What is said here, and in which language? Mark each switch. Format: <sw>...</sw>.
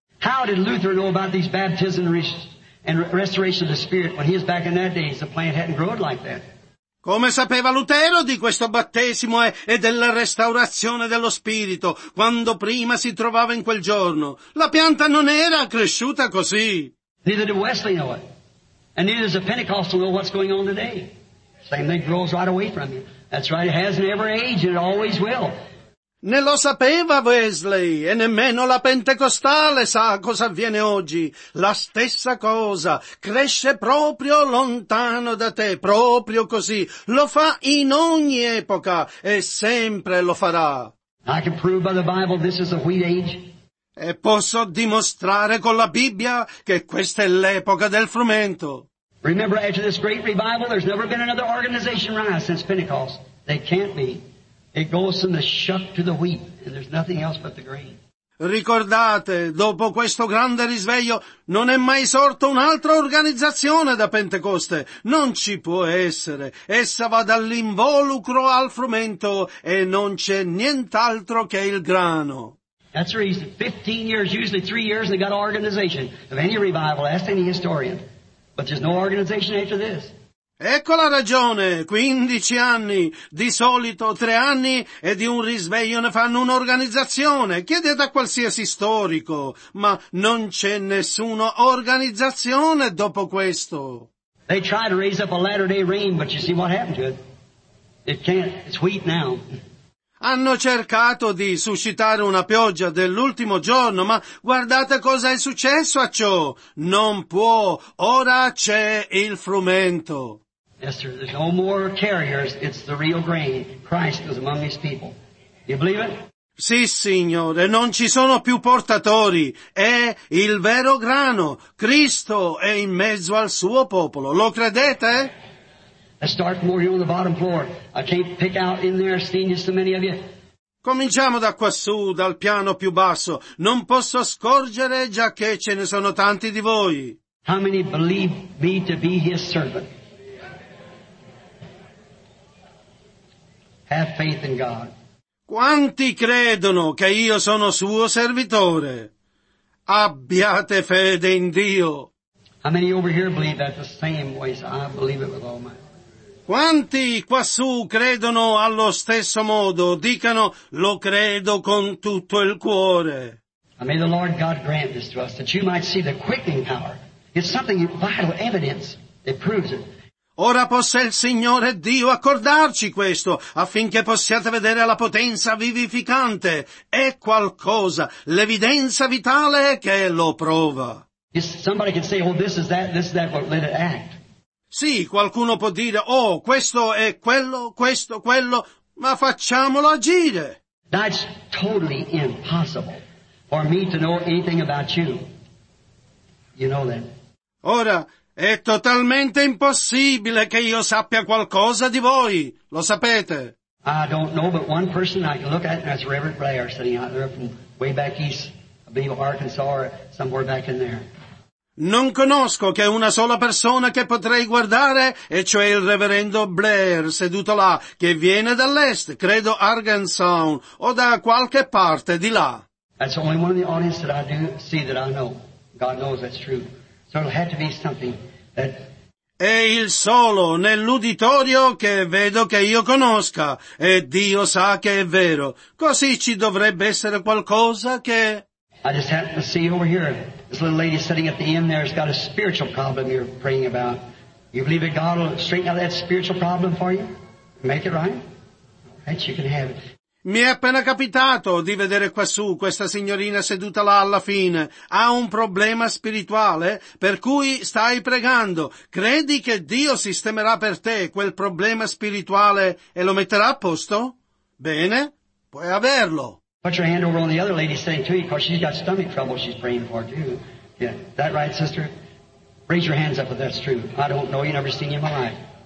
<en>How did Luther know about these baptisms and restoration of the Spirit when he was back in that day? The plant hadn't grown like that.</en> <it>Come sapeva Lutero di questo battesimo e della restaurazione dello Spirito quando prima si trovava in quel giorno? La pianta non era cresciuta così.</it> <en>Neither did Wesley know it. And neither does the Pentecostal know what's going on today. Same thing grows right away from you. That's right, it has never aged and it always will.</en> <it>Ne lo sapeva Wesley, e nemmeno la pentecostale sa cosa avviene oggi. La stessa cosa cresce proprio lontano da te, proprio così. Lo fa in ogni epoca, e sempre lo farà.</it> <en>I can prove by the Bible this is the wheat age.</en> <it>E posso dimostrare con la Bibbia che questa è l'epoca del frumento.</it> <en>Remember, after this great revival, there's never been another organization rise since Pentecost. They can't be. It goes from the shuck to the wheat, and there's nothing else but the grain.</en> <it>Ricordate, dopo questo grande risveglio, non è mai sorto un'altra organizzazione da Pentecoste. Non ci può essere. Essa va dall'involucro al frumento, e non c'è nient'altro che il grano.</it> <en>That's the reason. 15 years, usually 3 years, they got an organization of any revival. Ask any historian. But there's no organization after this.</en> <it>Ecco la ragione, 15 anni, di solito 3 anni, e di un risveglio ne fanno un'organizzazione. Chiedete a qualsiasi storico, ma non c'è nessuna organizzazione dopo questo.</it> <en>They try to raise up a Latter-day rain, but you see what happened to it. It can't, it's wheat now.</en> <it>Hanno cercato di suscitare una pioggia dell'ultimo giorno, ma guardate cosa è successo a ciò. Non può. Ora c'è il frumento.</it> <en>Yes, sir, there's no more carriers. It's the real grain. Christ is among his people. You believe it?</en> <it>Sì, Signore, non ci sono più portatori. È il vero grano. Cristo è in mezzo al suo popolo. Lo credete?</it> <en>Let's start from over here on the bottom floor. I can't pick out in there, seeing so many of you.</en> <it>Cominciamo da quassù, dal piano più basso. Non posso scorgere già che ce ne sono tanti di voi.</it> <en>How many believe me to be his servant? Have faith in God.</en> <it>Quanti credono che io sono suo servitore? Abbiate fede in Dio.</it> <en>How many over here believe that the same way? I believe it with all my...</en> <it>Quanti quassù credono allo stesso modo? Dicano, lo credo con tutto il cuore.</it> <en>May the Lord God grant this to us, that you might see the quickening power. It's something vital evidence that proves it.</en> <it>Ora possa il Signore Dio accordarci questo, affinché possiate vedere la potenza vivificante. È qualcosa, l'evidenza vitale che lo prova.</it> <en>Somebody can say, oh, this is that, but let it act.</en> <it>Sì, qualcuno può dire, oh, questo è quello, quello, ma facciamolo agire.</it> <en>That's totally impossible for me to know anything about you. You know that.</en> <it>Ora, è totalmente impossibile che io sappia qualcosa di voi. Lo sapete?</it> <en>I don't know, but one person I can look at, and that's Reverend Blair sitting out there from way back east, I believe Arkansas or somewhere back in there.</en> <it>Non conosco che una sola persona che potrei guardare, e cioè il reverendo Blair, seduto là, che viene dall'est, credo Arkansas, o da qualche parte di là.</it> <en>That's the only one in the audience that I do see that I know. God knows that's true. So it'll have to be something that...</en> <it>È il solo nell'uditorio che vedo che io conosca, e Dio sa che è vero. Così ci dovrebbe essere qualcosa che...</it> <en>I just happen to see over here, this little lady sitting at the end there has got a spiritual problem you're praying about. You believe that God will straighten out that spiritual problem for you? Make it right? That you can have it.</en> <it>Mi è appena capitato di vedere quassù questa signorina seduta là alla fine. Ha un problema spirituale per cui stai pregando. Credi che Dio sistemerà per te quel problema spirituale e lo metterà a posto? Bene, puoi averlo.</it> <en>Put your hand over on the other lady sitting too, because she's got stomach trouble she's praying for too. Yeah, that right, sister? Raise your hands up if that's true. I don't know, you never seen you in my life.</en>